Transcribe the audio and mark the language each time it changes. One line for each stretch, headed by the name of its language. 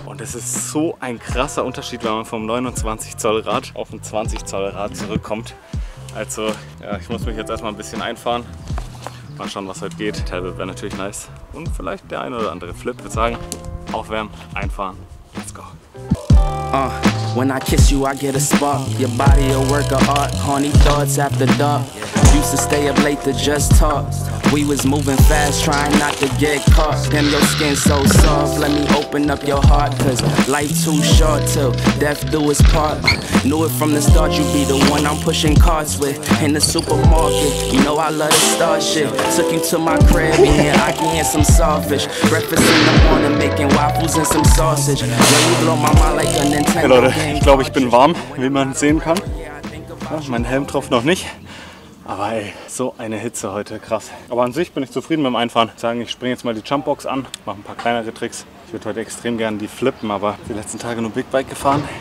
German: Und es ist so ein krasser Unterschied, wenn man vom 29 Zoll Rad auf ein 20 Zoll Rad zurückkommt. Also ja, ich muss mich jetzt erstmal ein bisschen einfahren. Mal schauen, was heute geht. Tablet wäre natürlich nice. Und vielleicht der ein oder andere Flip. Ich würde sagen, aufwärmen, einfahren.
English: Let's go. When I kiss you, I get a spark. Your body a work of art. Horny thoughts after dark. Used to stay up late to just talk. We was moving fast, trying not to get caught. And your skin so soft, let me open up your heart. Cause life too short till death do its part. Knew it from the start, you be the one I'm pushing carts with. In the supermarket, you know I love the star shit. Took you to my crib, eating ackee and some sawfish. Breakfast in the morning, making waffles and some sausage. Yeah, you blow my mind like a Nintendo.
German: Hey Leute, ich glaube, ich bin warm, wie man sehen kann. Ja, mein Helm tropft noch nicht. Aber ey, so eine Hitze heute, krass. Aber an sich bin ich zufrieden mit dem Einfahren. Ich würde sagen, ich springe jetzt mal die Jumpbox an, mache ein paar kleinere Tricks. Ich würde heute extrem gerne die flippen, aber die letzten Tage nur Big Bike gefahren.